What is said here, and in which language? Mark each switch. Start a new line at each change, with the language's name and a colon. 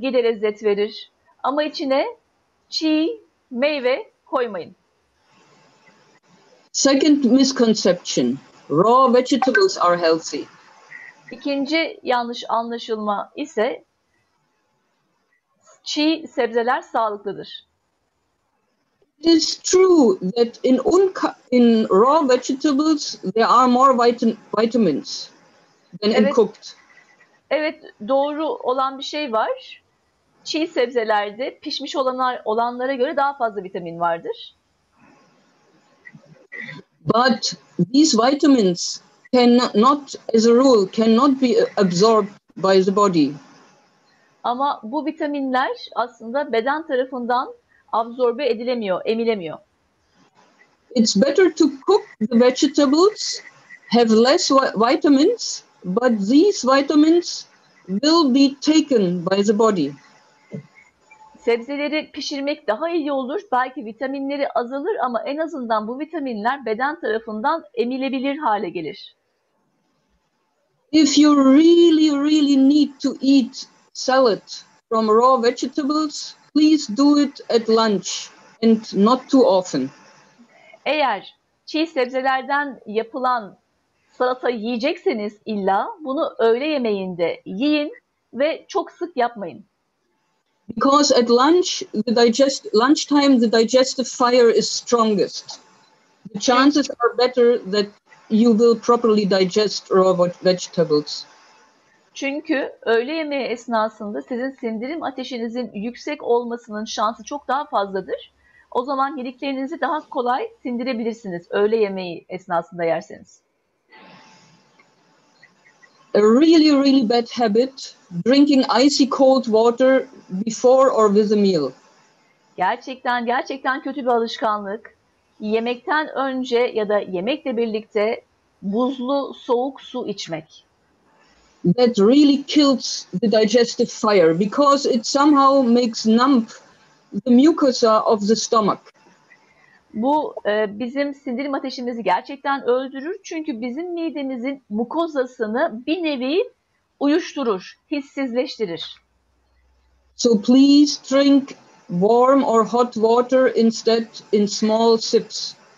Turkish: Ghee de lezzet verir. Ama içine çiğ meyve koymayın.
English: Second misconception, raw vegetables are healthy.
Turkish: İkinci yanlış anlaşılma ise çiğ sebzeler sağlıklıdır.
English: It is true that in raw vegetables there are more vitamins than in cooked.
Turkish: Evet, doğru olan bir şey var. Çiğ sebzelerde pişmiş olanlara göre daha fazla vitamin vardır.
English: But these vitamins cannot, as a rule, cannot be absorbed by the body.
Turkish: Ama bu vitaminler aslında beden tarafından absorbe edilemiyor, emilemiyor.
English: It's better to cook the vegetables, have less vitamins, but these vitamins will be taken by the body.
Turkish: Sebzeleri pişirmek daha iyi olur. Belki vitaminleri azalır ama en azından bu vitaminler beden tarafından emilebilir hale gelir.
English: If you really really need to eat salad from raw vegetables, please do it at lunch and not too often.
Turkish: Eğer çiğ sebzelerden yapılan salata yiyecekseniz illa bunu öğle yemeğinde yiyin ve çok sık yapmayın.
English: Because at lunch, lunchtime the digestive fire is strongest. The chances are better that you will properly digest raw vegetables.
Turkish: Çünkü öğle yemeği esnasında sizin sindirim ateşinizin yüksek olmasının şansı çok daha fazladır. O zaman yediklerinizi daha kolay sindirebilirsiniz öğle yemeği esnasında yerseniz.
English: A really, really bad habit, drinking icy cold water before or with a meal.
Turkish: Gerçekten, gerçekten kötü bir alışkanlık. Yemekten önce ya da yemekle birlikte buzlu, soğuk su içmek.
English: That really kills the digestive fire because it somehow makes numb the mucosa of the stomach.
Turkish: Bu bizim sindirim ateşimizi gerçekten öldürür çünkü bizim midemizin mukozasını bir nevi uyuşturur, hissizleştirir.
English: So please drink warm or hot water instead in small sips.